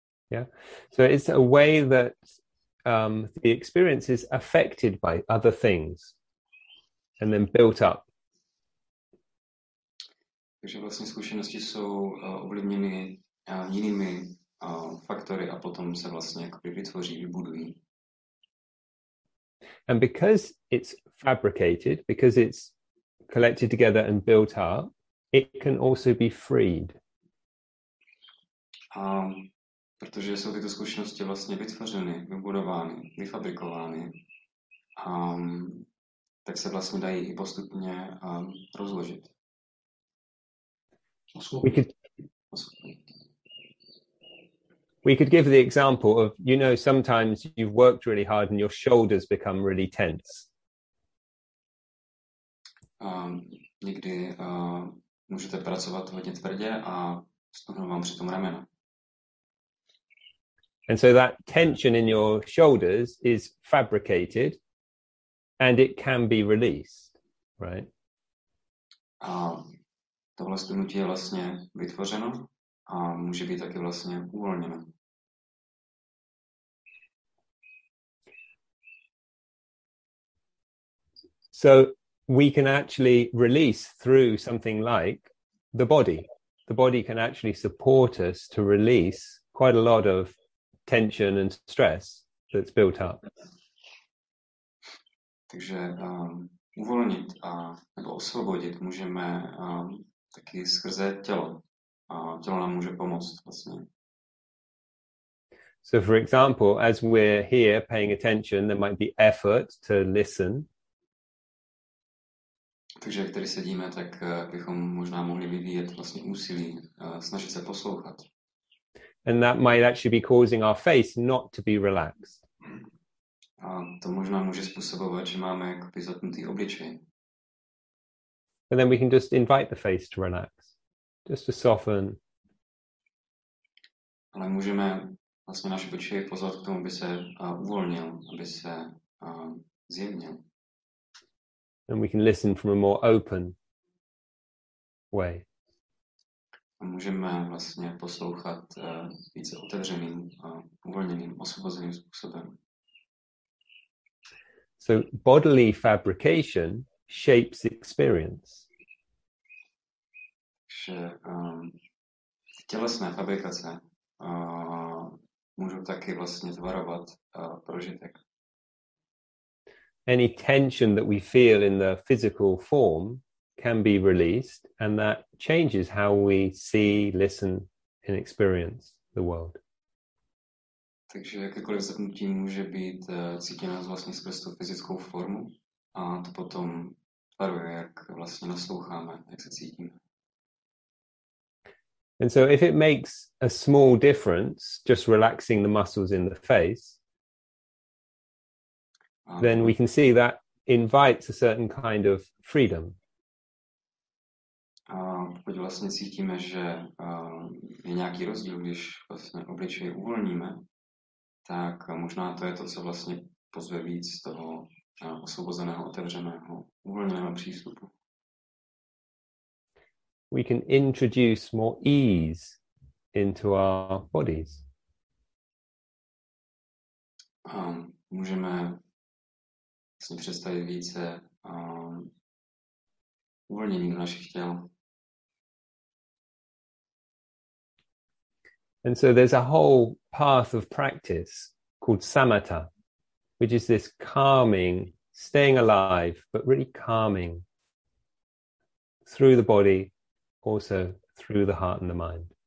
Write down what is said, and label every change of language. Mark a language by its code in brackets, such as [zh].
[en] Yeah, so it's a way that the experience is affected by other things and then built up. [cs] Takže vlastně zkušenosti jsou ovlivněny jinými faktory a potom se vlastně jakoby vytvoří, vybudují. [en] And because it's fabricated, because it's collected together and built up, it can also be freed. [cs] Protože jsou tyto zkušenosti vlastně vytvořeny, vybudovány, vyfabrikovány, tak se vlastně dají i postupně rozložit. [en] We could give the example of, you know, sometimes you've worked really hard and your shoulders become really tense. [cs] Někdy můžete pracovat hodně tvrdě a stuhnou vám přitom ramena. [en] And so that tension in your shoulders is fabricated and it can be released, right? [cs] Tohle stuhnutí je vlastně vytvořeno a může být taky vlastně uvolněno. [en] So we can actually release through something like the body. The body can actually support us to release quite a lot of tension and stress that's built up. [cs] Takže uvolnit nebo osvobodit můžeme taky skrze tělo. Tělo nám může pomoct vlastně. [en] So for example, as we're here paying attention, there might be effort to listen. [cs] Takže jak tady sedíme, tak bychom možná mohli vyvíjet vlastně úsilí, snažit se poslouchat. [en] And that might actually be causing our face not to be relaxed. [cs] A to možná může způsobovat, že máme jakoby zatnutý obličej. [en] And then we can just invite the face to relax, just to soften. [cs] Ale můžeme vlastně naše obličej pozvat k tomu, aby se uvolnil, aby se zjemnil. [en] And we can listen from a more open way. [cs] A můžeme vlastně poslouchat více otevřeným, uvolněným, osvobozeným způsobem. [en] So bodily fabrication shapes experience. [cs] Že tělesné fabrikace můžou taky vlastně tvarovat prožitek. [en] Any tension that we feel in the physical form can be released, and that changes how we see, listen, and experience the world. [cs] Takže jakékoliv zapnutí může být cítěno vlastně skrz tu fyzickou formu a to potom tvaruje, jak vlastně nasloucháme, jak se cítíme. [en] And so if it makes a small difference, just relaxing the muscles in the face, then we can see that invites a certain kind of freedom. [cs] Pokud vlastně cítíme, že je nějaký rozdíl, když vlastně obličej uvolníme, tak možná to je to, co vlastně pozve víc z toho osvobozeného, otevřeného, uvolněného přístupu. [en] We can introduce more ease into our bodies. [cs] Můžeme si představit více uvolnění do našich těl. [en] And so there's a whole path of practice called samatha, which is this calming, staying alive, but really calming through the body, also through the heart and the mind.